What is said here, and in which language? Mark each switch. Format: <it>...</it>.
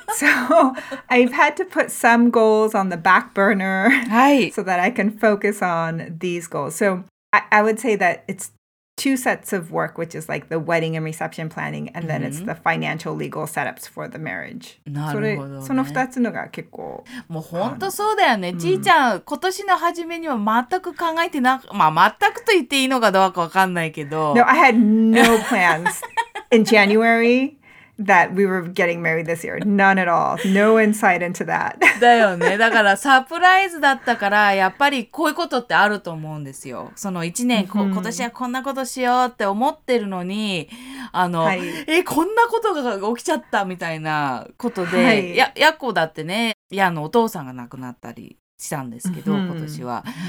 <en>So I've had to put some goals on the back burner so that I can focus on these goals. So I would say that it's two sets of work, which is like the wedding and reception planning. And then it's the financial legal setups for the marriage.</en> <ja>なるほどね。その二つのが結構。もう本当そうだよね。ちーちゃん、今年の初めには全く考えてなく、まあ全くと言っていいのかどうかわかんないけど。</ja> <en>No, I had no plans in January that we were getting married this year. None at all. No insight into that.</en> <ja>だよね。だからサプライズだったから、やっぱりこういうことってあると思うんですよ。その一年、今年はこんなことしようって思ってるのに、こんなことが起きちゃったみたいなことで、やっこだってね、お父さんが亡くなったりしたんですけど、今年は。</ja>